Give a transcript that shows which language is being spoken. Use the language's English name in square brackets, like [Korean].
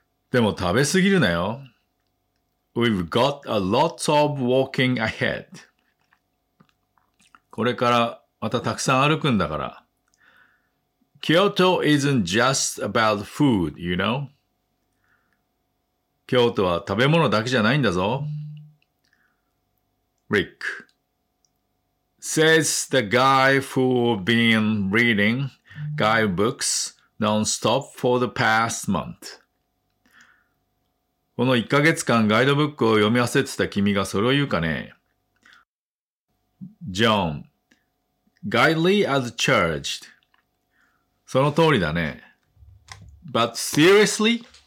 [Japanese] でも食べすぎるなよ。 [English] We've got a lot of walking ahead. [Japanese] これからまたたくさん歩くんだから。 [English] Kyoto isn't just about food, you know? [Japanese] 京都は食べ物だけじゃないんだぞ。 [English] Rick says the guy who's been reading guidebooks non-stop for the past month. [Japanese] この1ヶ月間ガイドブックを読み合わせてた君がそれを言うかね。 [English] John, guidely as charged. [Japanese] その通りだね。 [English] But seriously?